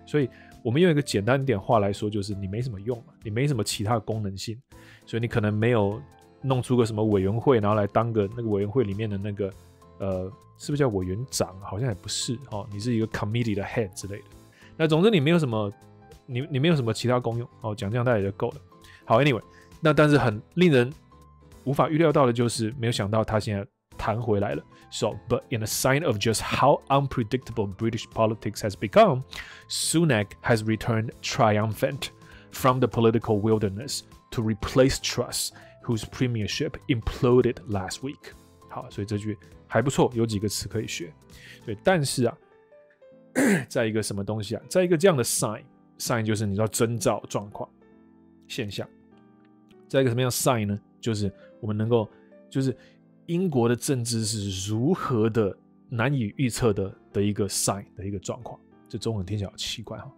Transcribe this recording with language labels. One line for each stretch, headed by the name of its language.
Chinese: 所以我们用一个简单一点话来说，就是你没什么用，你没什么其他的功能性，所以你可能没有弄出个什么委员会，然后来当个那个委员会里面的那个是不是叫委员长？好像也不是，你是一个 committee 的 head 之类的。那总之你没有什么，你没有什么其他功用，讲这样大概就够了。好 ，anyway， 那但是很令人无法预料到的就是，没有想到他现在弹回来了。
English: So, but in a sign of just how unpredictable British politics has become, Sunak has returned triumphant from the political wilderness to replace Truss, whose premiership imploded last week.
Chinese: 好，所以这句还不错，有几个词可以学。对，但是啊，在一个什么东西啊，在一个这样的 sign 就是你知道征兆、状况、现象，在一个什么样的 sign 呢？就是我们能够就是。英国的政治是如何的难以预测 的一个 sign 的一个状况，这中文听起来好奇怪。